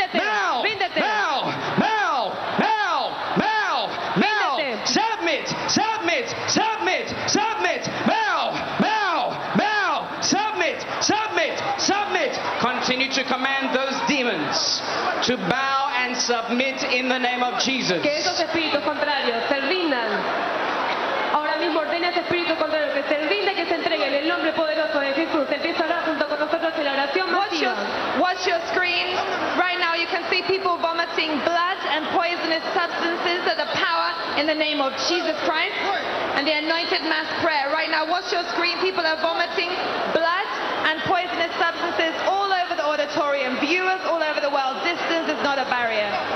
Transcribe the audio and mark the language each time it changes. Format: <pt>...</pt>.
<en>Bow. Bow. Bow. Bow. Submit. Submit. Submit. Submit. Bow. Bow. Bow. Submit. Submit. Submit. Continue to command those demons to bow and submit in the name of Jesus.</en> <es>Que esos espíritus contrarios se rindan. Ahora mismo ordena ese espíritu contrario que se rinde, que se entregue en el nombre poderoso de Jesús. Empieza ahora junto con nosotros en la oración masiva.</es> <en>Watch your screen. Right now you can see people vomiting blood and poisonous substances at the power in the name of Jesus Christ and the anointed mass prayer. Right now watch your screen. People are vomiting blood and poisonous substances all over the auditorium. Viewers all over the world, distance is not a barrier.</en>